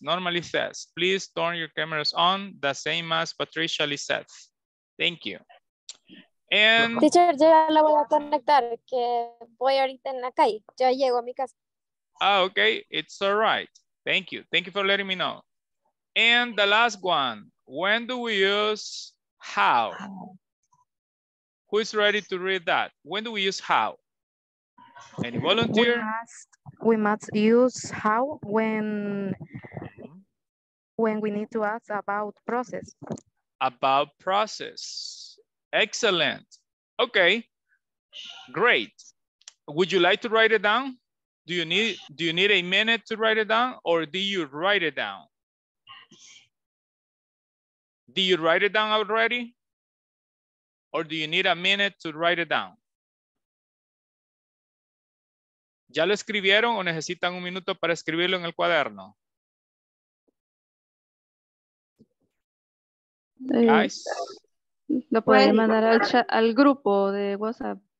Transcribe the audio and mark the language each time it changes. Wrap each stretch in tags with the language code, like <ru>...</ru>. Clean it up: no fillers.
<en>Norma Lizeth, please turn your cameras on, the same as Patricia Lizeth. Thank you. And</en> <es>teacher, yo la voy a conectar, que voy ahorita en la calle. Ya llego a mi casa.</es> <en>Ah, okay, it's all right. Thank you. Thank you for letting me know. And the last one, when do we use how? Who is ready to read that? When do we use how? Any volunteer? We must use how when we need to ask about process. About process. Excellent. Okay. Great. Would you like to write it down? Do you need a minute to write it down, or do you write it down? Do you write it down already? Or do you need a minute to write it down?</en> <es>¿Ya lo escribieron o necesitan un minuto para escribirlo en el cuaderno?</es> <en>Guys.</en> <es>Lo pueden mandar al chat, al grupo de WhatsApp.</es>